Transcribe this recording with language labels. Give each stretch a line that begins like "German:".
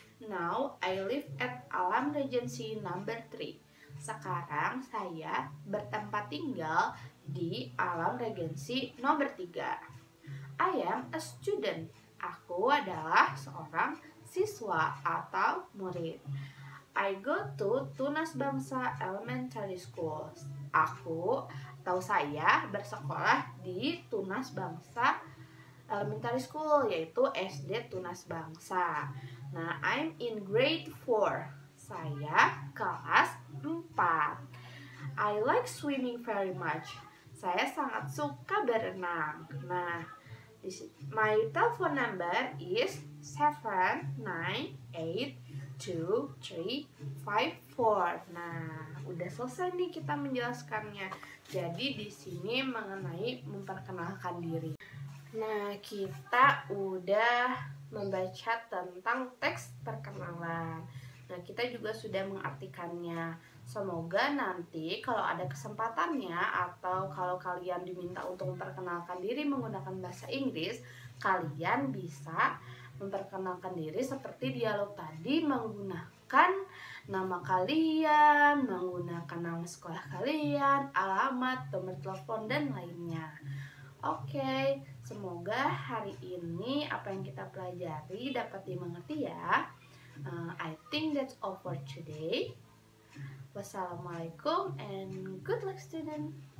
English: Now I live at Alam Regency number 3.
Indonesian: Sekarang saya bertempat tinggal di Alam Regency nomor 3.
English: I am a student.
Indonesian: Aku adalah seorang siswa atau murid.
English: I go to Tunas Bangsa Elementary School.
Indonesian: Aku atau saya bersekolah di Tunas Bangsa Elementary School, yaitu SD Tunas Bangsa. Nah,
English: I'm in grade 4.
Indonesian: Saya kelas 4.
English: I like swimming very much.
Indonesian: Saya sangat suka berenang.
English: Nah, my telephone number is 7982354.
Indonesian: Nah, udah selesai nih kita menjelaskannya. Jadi di sini mengenai memperkenalkan diri. Nah, kita udah membaca tentang teks perkenalan. Nah, kita juga sudah mengartikannya. Semoga nanti kalau ada kesempatannya atau kalau kalian diminta untuk memperkenalkan diri menggunakan bahasa Inggris, kalian bisa memperkenalkan diri seperti dialog tadi menggunakan nama kalian, menggunakan nama sekolah kalian, alamat, nomor telepon, dan lainnya. Oke, semoga hari ini apa yang kita pelajari dapat dimengerti ya.
English: I think that's all for today. Wassalamualaikum and good luck student.